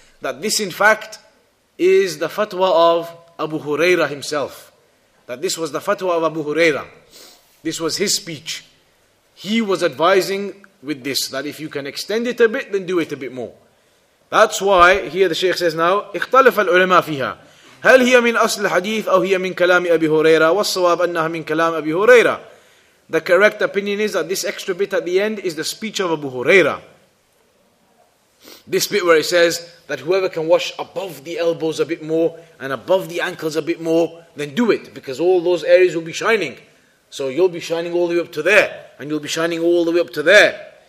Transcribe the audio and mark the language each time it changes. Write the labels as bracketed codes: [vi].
[en] That this in fact is the fatwa of Abu Hurairah himself. That this was the fatwa of Abu Hurairah. This was his speech. He was advising with this, that if you can extend it a bit, then do it a bit more. That's why, here the Shaykh says now, [ar] اختلف العلماء فيها. هل هي من أصل الحديث أو هي من كلام أبي هريرة؟ والصواب أنها من كلام أبي هريرة. [en] The correct opinion is that this extra bit at the end is the speech of Abu Huraira. This bit where he says that whoever can wash above the elbows a bit more and above the ankles a bit more, then do it, because all those areas will be shining. So you'll be shining all the way up to there, and you'll be shining all the way up to there.